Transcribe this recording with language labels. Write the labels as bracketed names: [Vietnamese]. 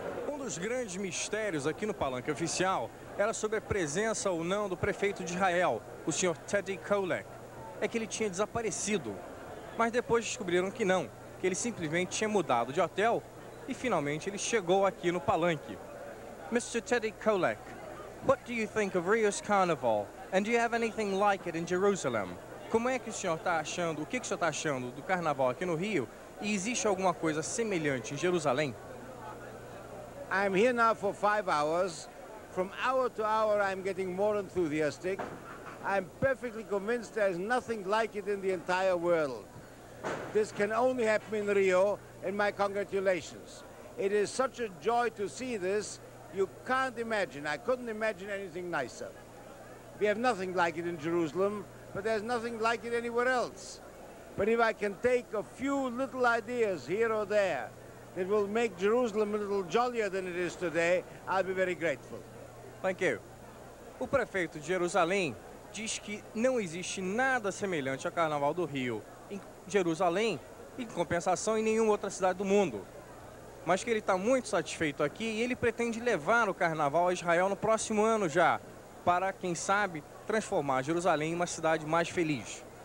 [Portuguese] Um dos grandes mistérios aqui no Palanque Oficial era sobre a presença ou não do prefeito de Israel, o senhor Teddy Kollek. É que ele tinha desaparecido. Mas depois descobriram que não, que ele simplesmente tinha mudado de hotel e finalmente ele chegou aqui no palanque. [English] Mr. Teddy Kollek, what do you think of Rio's Carnival? And do you have anything like it in Jerusalem? [Portuguese] Como é que o senhor está achando, o que, que o senhor está achando do carnaval aqui no Rio? E existe alguma coisa semelhante em Jerusalém? [English] I'm here now for 5 hours. From hour to hour I'm getting more enthusiastic. I'm perfectly convinced there's nothing like it in the entire world. This can only happen in Rio, and my congratulations. It is such a joy to see this. You can't imagine. I couldn't imagine anything nicer. We have nothing like it in Jerusalem, but there's nothing like it anywhere else. But if I can take a few little ideas here or there that will make Jerusalem a little jollier than it is today, I'll be very grateful. Thank you. [Portuguese] O prefeito de Jerusalém diz que não existe nada semelhante ao Carnaval do Rio em Jerusalém, em compensação em nenhuma outra cidade do mundo. Mas que ele está muito satisfeito aqui e ele pretende levar o Carnaval a Israel no próximo ano já, para, quem sabe, transformar Jerusalém em uma cidade mais feliz.